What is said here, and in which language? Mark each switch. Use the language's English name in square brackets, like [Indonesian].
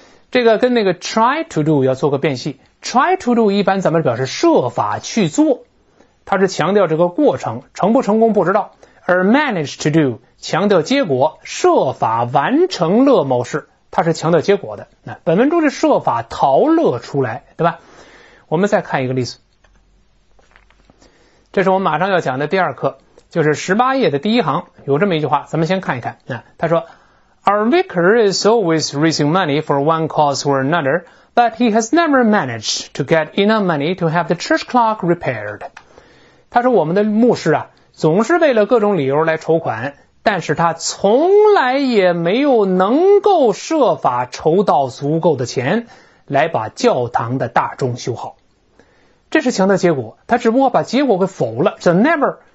[Chinese] 这个跟那个 try to do 要做个变系， try to do 一般咱们表示设法去做，它是强调这个过程，成不成功不知道，而 manage to do 强调结果，设法完成了某事，它是强调结果的。本文中的设法逃乐出来，对吧？我们再看一个例子，这是我们马上要讲的第二课，就是18页的第一行有这么一句话，咱们先看一看。 [English] 他说 Our vicar is always raising money for one cause or another, but he has never managed to get enough money to have the church clock repaired. [Chinese] 他说我们的牧师啊，总是为了各种理由来筹款，但是他从来也没有能够设法筹到足够的钱来把教堂的大钟修好。这是强调结果，他只不过把结果给否了，这 never